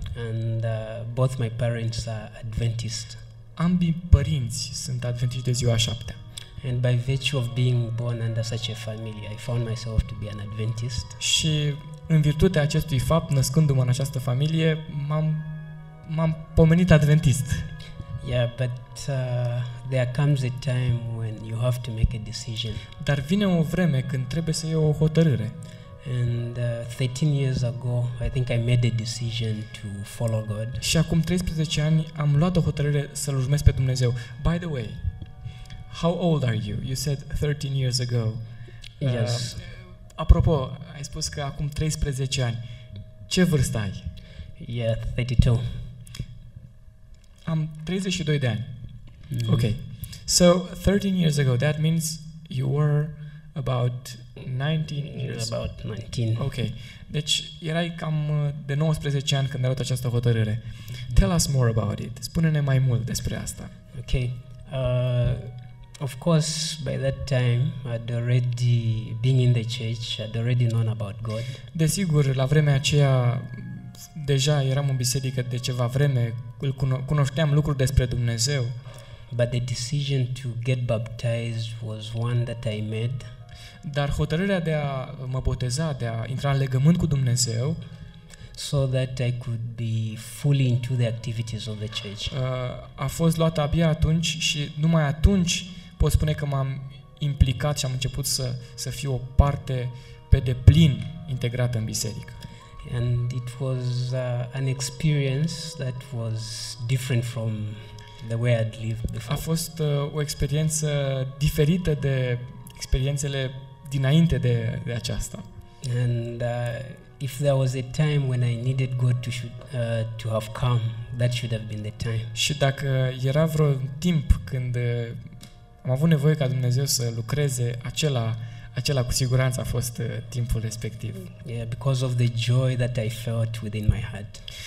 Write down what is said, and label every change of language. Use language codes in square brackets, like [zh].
[en] And both my parents are Adventist. [ro] Ambii părinți sunt adventiști de ziua a șaptea. [en] And by virtue of being born under such a family, I found myself to be an Adventist. [ro] Și în virtutea acestui fapt, născându-mă în această familie, m-am pomenit Adventist. [en] Yeah, but there comes a time when you have to make a decision. [ro] Dar vine o vreme când trebuie să iei o hotărâre. [en] And 13 years ago, I think I made a decision to follow God. [ro] Și acum 13 ani am luat o hotărâre să-L urmez pe Dumnezeu. [en] By the way, how old are you? You said 13 years ago. Yes. [ro] Apropo, ai spus că acum 13 ani. Ce vârstă ai? [en] Yeah, 32. [ro] Am 32 de ani. Mm-hmm. Okay. [en] So, 13 years ago, that means you were about 19 years. About 19. Okay. [ro] Deci, erai cam de 19 ani când ai luat această hotărâre. Mm-hmm. [en] Tell us more about it. [ro] Spune-ne mai mult despre asta. [en] Okay. Of course, by that time, I'd already been in the church, I'd already known about God. [ro] Desigur, la vremea aceea, deja eram în biserică de ceva vreme, cunoșteam lucruri despre Dumnezeu. [en] But the decision to get baptized was one that I made. [ro] Dar hotărârea de a mă boteza, de a intra în legământ cu Dumnezeu, [en] so that I could be fully into the activities of the church. [ro] A fost luată abia atunci și numai atunci pot spune că m-am implicat și am început să fiu o parte pe deplin integrată în biserică. [en] And it was an experience that was different from the way I'd lived before. [ro] A fost o experiență diferită de experiențele dinainte de aceasta. [en] And if there was a time when I needed God to have come, that should have been the time. [ro] Și dacă era vreo timp când am avut nevoie ca Dumnezeu să lucreze, acela cu siguranță a fost timpul respectiv. [en] Yeah, because of the joy that I felt within my heart.